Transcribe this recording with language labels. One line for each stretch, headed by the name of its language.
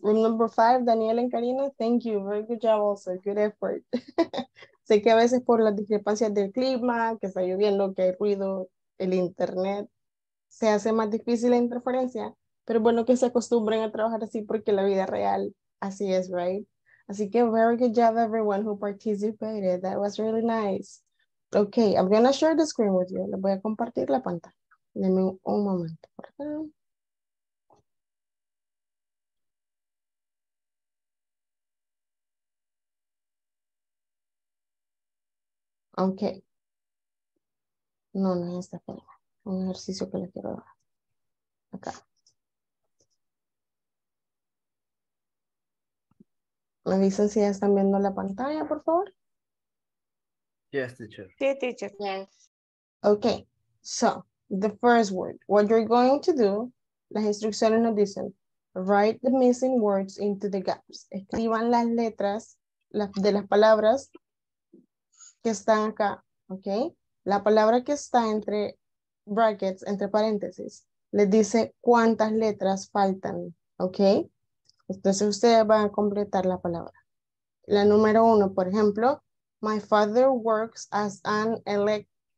English: Room number five, Daniel and Karina, thank you. Very good job also. Good effort.
Spanish: Sé que a veces por las discrepancias del clima, que está lloviendo, que hay ruido, el internet, se hace más difícil la interferencia. Pero bueno, que se acostumbren a trabajar así porque la vida real así es, right? Así que
English: very good job everyone who participated. That was really nice. Okay, I'm going to share the screen with you.
Spanish: Les voy a compartir la pantalla. Denme un momento, por favor. Okay. No, no es esta pena. Un ejercicio que le quiero dar. Acá. ¿Me dicen si ya están viendo la pantalla, por favor?
English: Yes, teacher. Sí, teacher. Yes. Okay. So, the first word. What you're going to do,
Spanish: las instrucciones nos dicen,
English: write the missing words into the gaps.
Spanish: Escriban las letras de las palabras que están acá, ¿ok? La palabra que está entre brackets, entre paréntesis, les dice cuántas letras faltan, ¿ok? Entonces ustedes van a completar la palabra. La número uno, por ejemplo,
English: my father works as an elect.